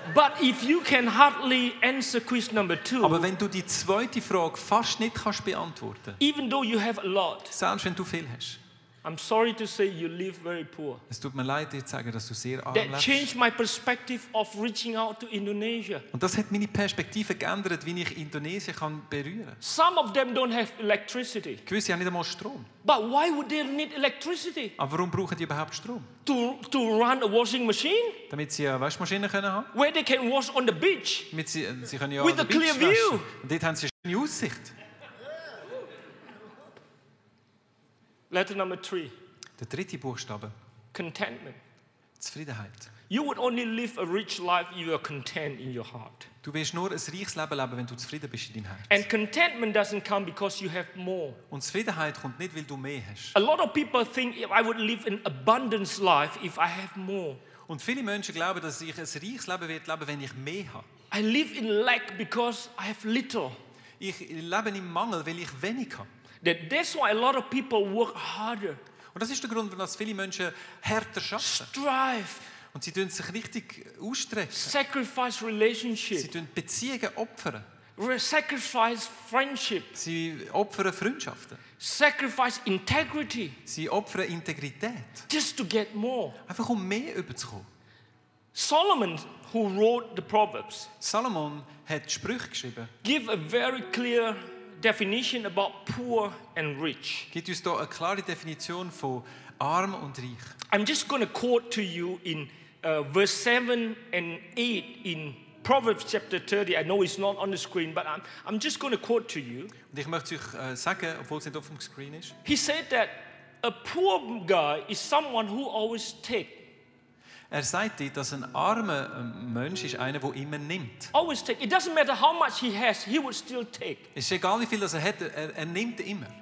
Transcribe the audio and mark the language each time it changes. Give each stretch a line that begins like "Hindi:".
English: But if you can hardly answer quiz number two.
German: Aber wenn du die zweite Frage fast nicht kannst beantworten.
English: Even though you have a lot.
German: Selbst wenn du viel hast.
English: I'm sorry to say you live very poor.
German: Es tut mir leid, dir zu sagen, dass du sehr arm lebst.
English: That changed my perspective of reaching out to Indonesia.
German: Und das hat meine Perspektive geändert, wie ich Indonesien kann berühren.
English: Some of them don't have electricity.
German: Gewisse haben nicht einmal Strom.
English: But why would they need electricity?
German: Aber warum brauchen die überhaupt Strom?
English: To run a washing machine?
German: Damit sie eine Waschmaschine können haben.
English: Where they can wash on the beach?
German: Damit sie können ja
English: with a clear
German: waschen.
English: View.
German: Und dort haben sie eine schöne Aussicht.
English: Letter number three.
German: Der dritte Buchstabe.
English: Contentment.
German: Zufriedenheit.
English: You would only live a rich life if you are content in your heart.
German: Du wirst nur ein reiches Leben leben, wenn du zufrieden bist in deinem Herz.
English: And contentment doesn't come because you have more.
German: Und Zufriedenheit kommt nicht, weil du mehr hast.
English: A lot of people think I would live an abundance life if I have more.
German: Und viele Menschen glauben, dass ich ein reiches Leben werde leben, wenn ich mehr habe.
English: I live in lack because I have little.
German: Ich lebe im Mangel, weil ich wenig habe.
English: That's why a lot of people work harder.
German: Und das ist der Grund, warum viele Menschen härter schaffen.
English: Strive.
German: Und sie tun sich richtig ausstrecken.
English: Sacrifice relationship.
German: Sie tun Beziehungen opfern.
English: Sacrifice friendship.
German: Sie opfern Freundschaften.
English: Sacrifice integrity.
German: Sie opfern Integrität.
English: Just to get more.
German: Einfach um mehr überzukommen.
English: Solomon, who wrote the Proverbs.
German: Solomon hat Sprüche geschrieben.
English: Give a very clear definition about poor and rich.
German: Gibt uns da eine klare Definition von arm und reich.
English: I'm just going to quote to you in verse 7 and 8 in Proverbs chapter 30. I know it's not on the screen, but I'm just going to quote to you.
German: Und ich möchte euch sagen, obwohl es nicht auf dem Screen ist.
English: He said that a poor guy is someone who always takes.
German: Er sagt dir, dass ein armer Mensch ist einer, der immer nimmt.
English: Always take. It doesn't matter how much he has, he would still take.
German: Es ist egal, wie viel er hat, er nimmt immer.